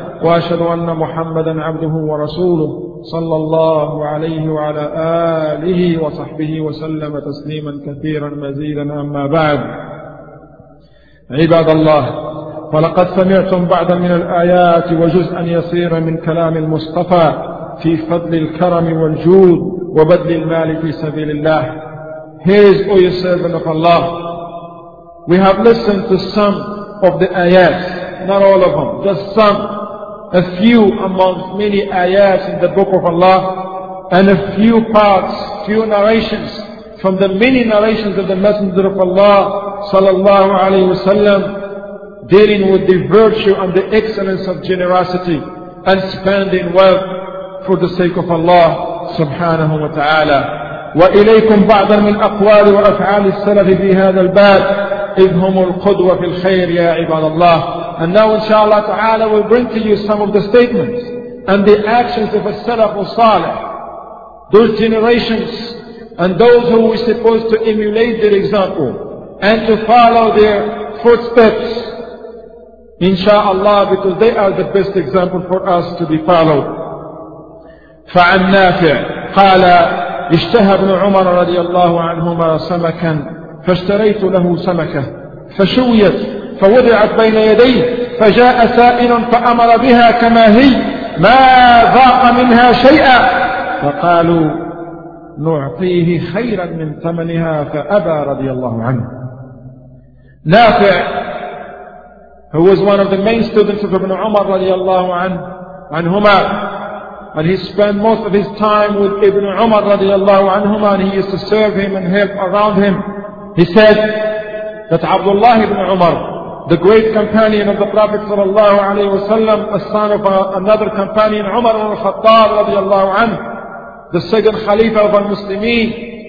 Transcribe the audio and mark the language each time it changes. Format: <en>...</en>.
<ar>وأشهد أن محمدا عبده ورسوله صلى الله عليه وعلى آله وصحبه وسلم تسليما كثيرا مزيدا. أما بعد، عباد الله، فلقد سمعتم بعضا من الآيات وجزءا يصير من كلام المصطفى في فضل الكرم والجود وبذل المال في سبيل الله.</ar> <en>Here's O you servant of Allah. We have listened to some of the ayats, not all of them, just some, a few amongst many ayats in the book of Allah, and a few parts, few narrations from the many narrations of the Messenger of Allah sallallahu alayhi wa sallam, dealing with the virtue and the excellence of generosity and spending wealth for the sake of Allah subhanahu wa ta'ala.</en> <ar>وإليكم بعضا من أقوال وأفعال السلف في هذا الباب إذ هم القدوة في الخير يا عباد الله.</ar> <en>And now inshallah ta'ala we'll bring to you some of the statements and the actions of a salaf or salih, those generations and those who were supposed to emulate their example and to follow their footsteps inshallah, because they are the best example for us to be followed.</en> <ar>فعن نافع قال اشتهى ابن عمر رضي الله عنهما سمكا فاشتريت له سمكة فشويت فوضعت بين يديه فجاء سائل فأمر بها كما هي ما ذاق منها شيئا فقالوا نعطيه خيرا من ثمنها فأبى رضي الله عنه.</ar> <en>نافع, who was one of the main students of Ibn Umar</en> <ar>رضي الله عنهما,</ar> <en>and he spent most of his time with Ibn Umar radiallahu anhuma, and he used to serve him and help around him. He said that Abdullah ibn Umar, the great companion of the Prophet sallallahu alayhi wa sallam, a son of another companion, Umar al-Khattab radiallahu anhu, the second Khalifa of al-Muslimin.</en>